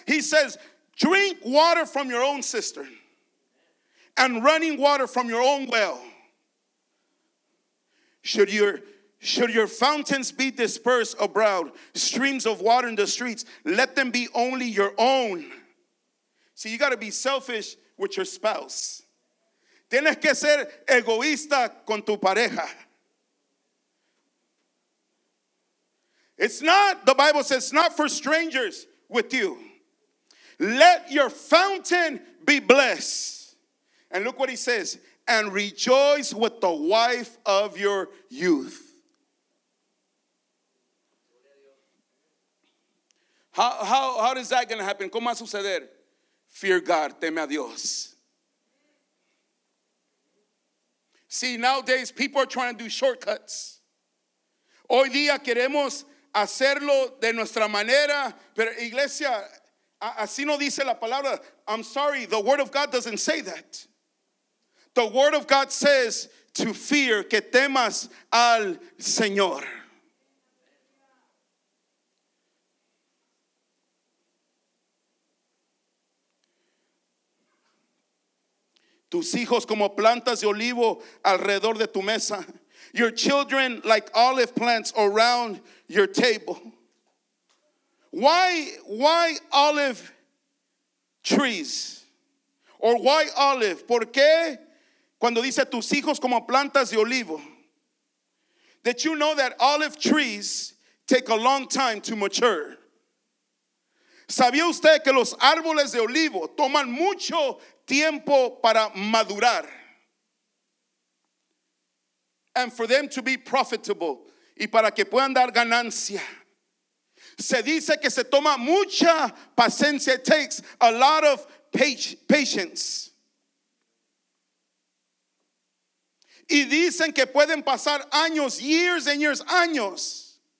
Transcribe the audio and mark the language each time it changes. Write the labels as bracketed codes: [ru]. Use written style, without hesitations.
[en] He says, drink water from your own cistern and running water from your own well. Should your fountains be dispersed abroad, streams of water in the streets, let them be only your own. See, you got to be selfish with your spouse. [es] Tienes que ser egoísta con tu pareja. [en] It's not, the Bible says, it's not for strangers with you. Let your fountain be blessed. And look what he says. And rejoice with the wife of your youth. How is that going to happen? [es] ¿Cómo va a suceder? [en] Fear God, [es] teme a Dios. [en] See, nowadays people are trying to do shortcuts. [es] Hoy día queremos hacerlo de nuestra manera, pero iglesia, así no dice la palabra. [en] I'm sorry, the word of God doesn't say that. The word of God says to fear, [es] que temas al Señor. Tus hijos como plantas de olivo alrededor de tu mesa. [en] Your children like olive plants around your table. Why olive trees? Or why olive? [es] ¿Por qué cuando dice tus hijos como plantas de olivo? [en] Did you know that olive trees take a long time to mature? [es] ¿Sabía usted que los árboles de olivo toman mucho tiempo para madurar? [en] And for them to be profitable. [es] Y para que puedan dar ganancia. Se dice que se toma mucha paciencia. [en] It takes a lot of patience. [es] Y dicen que pueden pasar años, [en] years and years, [es] años.